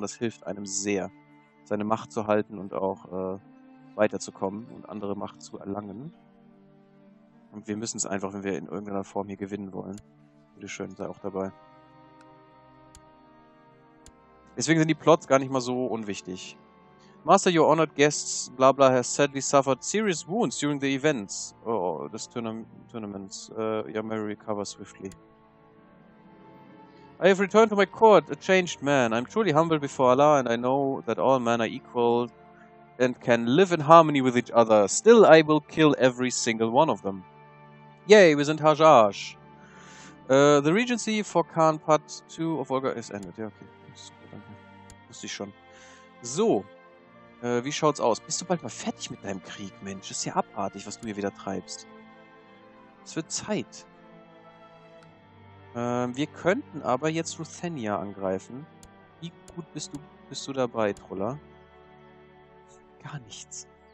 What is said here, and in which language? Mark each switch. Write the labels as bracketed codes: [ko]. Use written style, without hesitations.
[de] Das hilft einem sehr, seine Macht zu halten und auch weiterzukommen und andere Macht zu erlangen. Und wir müssen es einfach, wenn wir in irgendeiner Form hier gewinnen wollen. Bitte schön, sei auch dabei. Deswegen sind die Plots gar nicht mal so unwichtig. [en] Master, your honored guests, bla bla, has sadly suffered serious wounds during the events. Oh, this tournament. Your memory recovers swiftly. I have returned to my court, a changed man. I'm truly humbled before Allah, and I know that all men are equal and can live in harmony with each other. Still, I will kill every single one of them. [de] Yay, wir sind Hajjaj. [en] The regency for Khan Part 2 of Olga is ended. [de] Ja, okay. Wusste ich schon. So, wie schaut's aus? Bist du bald mal fertig mit deinem Krieg, Mensch? Ist ja abartig, was du hier wieder treibst. Es wird Zeit. Wir könnten aber jetzt Ruthenia angreifen. Wie gut bist du dabei, Troller? Gar nichts.